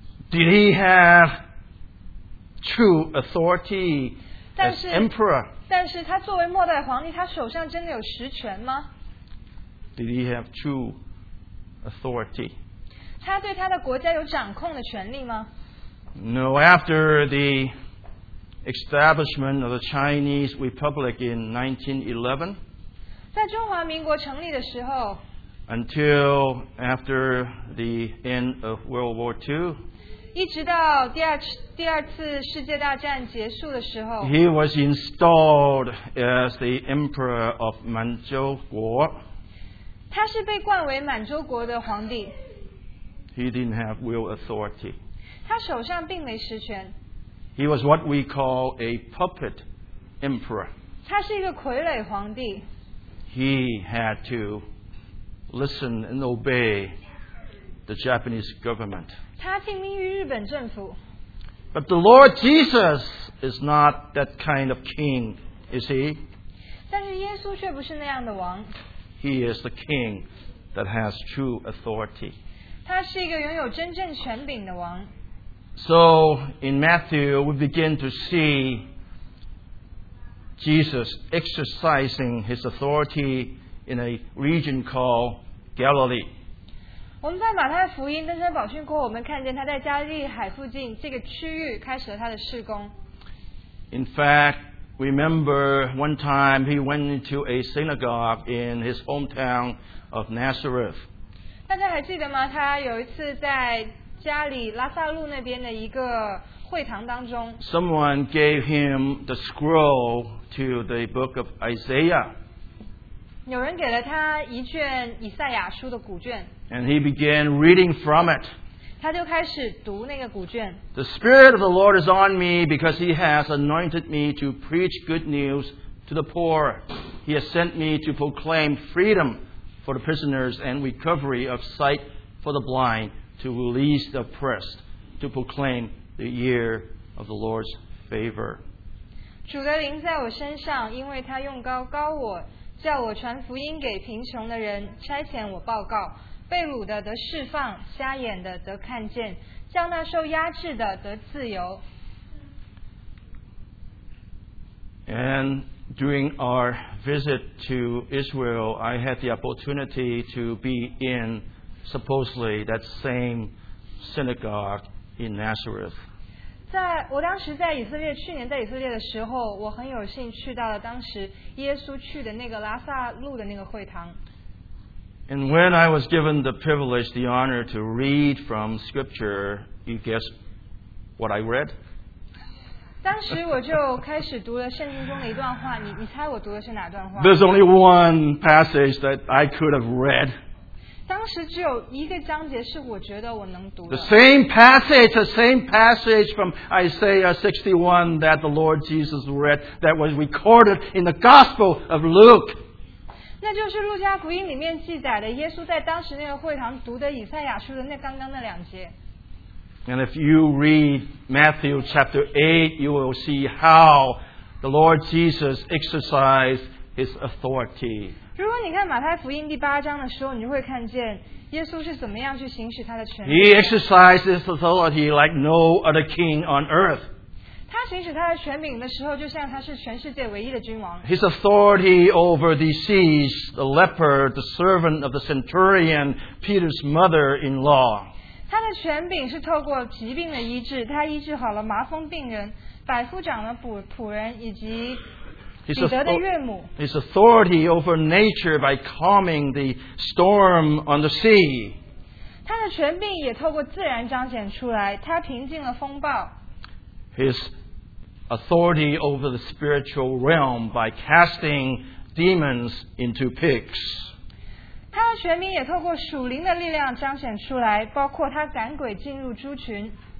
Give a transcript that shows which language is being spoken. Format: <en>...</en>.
<en>Did he have true authority as emperor?</en> <zh>但是他作为末代皇帝，他手上真的有实权吗？</zh> <en>Did he have true authority?</en> <zh>他对他的国家有掌控的权利吗？</zh> <en>No, after theEstablishment of the Chinese Republic in 1911.</en> <zh>在中华民国成立的时候</zh> <en>until after the end of World War II,</en> <zh>一直到第二次世界大战结束的时候</zh> <en>he was installed as the Emperor of Manchu Guo.</en> <zh>他是被冠为满洲国的皇帝</zh> <en>He didn't have real authority.</en> <zh>他手上并没实权。</zh> <en>He was what we call a puppet emperor.</en> <zh>他是一个傀儡皇帝。</zh> <en>He had to listen and obey the Japanese government.</en> <zh>他听命于日本政府。</zh> <en>But the Lord Jesus is not that kind of king, is he?</en> <zh>但是耶稣却不是那样的王。</zh> <en>He is the king that has true authority.</en> <zh>他是一个拥有真正权柄的王。</zh> <en>So, in Matthew, we begin to see Jesus exercising his authority in a region called Galilee.</en> <zh>我们在马太福音登山宝训过后，我们看见他在加利海附近这个区域开始了他的事工。</zh> <en>In fact, remember one time he went into a synagogue in his hometown of Nazareth.</en> <zh>大家还记得吗？他有一次在家里拉萨路那边的一个会堂当中</zh> <en>Someone gave him the scroll to the book of Isaiah</en> <zh>有人给了他一卷以赛亚书的古卷</zh> <en>And he began reading from it</en> <zh>他就开始读那个古卷</zh> <en>The Spirit of the Lord is on me because he has anointed me to preach good news to the poor He has sent me to proclaim freedom for the prisoners and recovery of sight for the blindTo release the oppressed, to proclaim the year of the Lord's favor.</en> <zh>主的灵在我身上，因为他用膏膏我，叫我传福音给贫穷的人，差遣我报告，被掳的得释放，瞎眼的得看见，叫那受压制的得自由。</zh> <en>And during our visit to Israel, I had the opportunity to be in. Supposedly, that same synagogue in Nazareth.</en> <zh>在我当时在以色列，去年在以色列的时候，我很有幸去到了当时耶稣去的那个拉萨路的那个会堂。</zh> <en>And when I was given the privilege, the honor to read from Scripture, you guess what I read?</en> <zh>当时我就开始读了圣经中的一段话，你猜我读的是哪段话？</zh> <en>There's only one passage that I could have read.</en> <zh>当时只有一个章节是我觉得我能读的。</zh> <en>The same passage from Isaiah 61 that the Lord Jesus read that was recorded in the Gospel of Luke.</en> <zh>那就是路加福音里面记载的耶稣在当时那个会堂读的以赛亚书的那刚刚的两节。</zh> <en>And if you read Matthew chapter 8, you will see how the Lord Jesus exercised his authority.</en> <zh>如果你看马太福音第八章的时候，你就会看见耶稣是怎么样去行使他的权力。</zh> <en>He exercised his authority like no other king on earth.</en> <zh>他行使他的权柄的时候，就像他是全世界唯一的君王。</zh> <en>His authority over the disease, the leper, the servant of the centurion, Peter's mother-in-law.</en> <zh>他的权柄是透过疾病的医治，他医治好了麻风病人、百夫长的仆人以及彼得的岳母。</zh> <en>His authority over nature by calming the storm on the sea.</en> <zh>他的权柄也透过自然彰显出来，他平静了风暴。</zh> <en>His authority over the spiritual realm by casting demons into pigs.</en> <zh>他的权柄也透过属灵的力量彰显出来，包括他赶鬼进入猪群。</zh>